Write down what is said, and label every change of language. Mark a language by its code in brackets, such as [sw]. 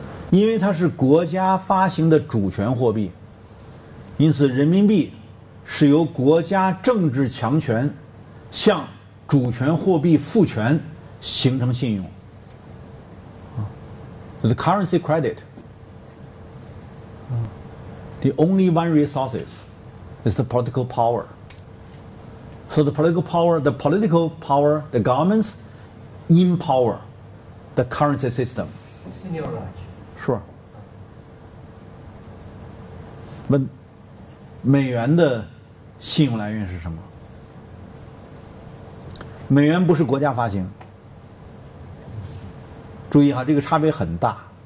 [zh] 因为它是国家发行的主权货币，因此人民币是由国家政治强权向主权货币赋权形成信用。 [en] The currency credit, the only one resources is the political power. So the political power, the governments empower the currency system. Senior Raj. Sure. [zh] 那美元的信用来源是什么？美元不是国家发行，注意哈，这个差别很大。